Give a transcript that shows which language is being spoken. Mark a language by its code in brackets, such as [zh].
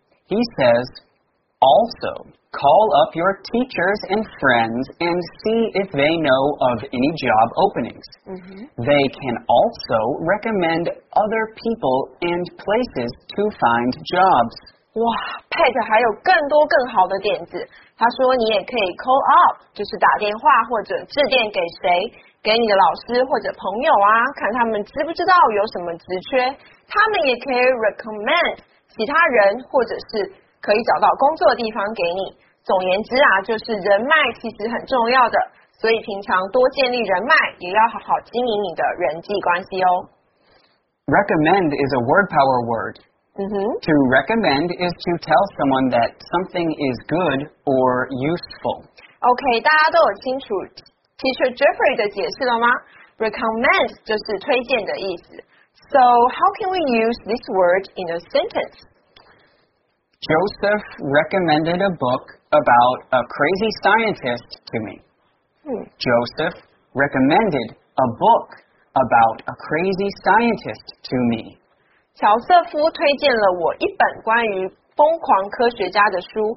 [en] He says, also... Call up your teachers and friends and see if they know of any job openings.、Mm-hmm. They can also recommend other people and places to find jobs. [zh] 哇 ,Pat 还有更多更好的点子。他说你也可以 [en] call up, [zh] 就是打电话或者致电给谁，给你的老师或者朋友啊，看他们知不知道有什么职缺。他们也可以 recommend 其他人或者是可以找到工作的地方给你。总言之啊，就是人脉其实很重要的，所以平常多建立人脉，也要好好经营你的人际关系哦。 [en] Recommend is a word power word.、 Mm-hmm. To recommend is to tell someone that something is good or useful. [zh] OK, 大家都有清楚 Teacher Jeffrey 的解释了吗？ Recommend 就是推荐的意思。 [en] So, how can we use this word in a sentence? Joseph recommended a book about a crazy scientist to me.、 Hmm. Joseph recommended a book about a crazy scientist to me. [zh] 乔瑟夫推荐了我一本关于疯狂科学家的书。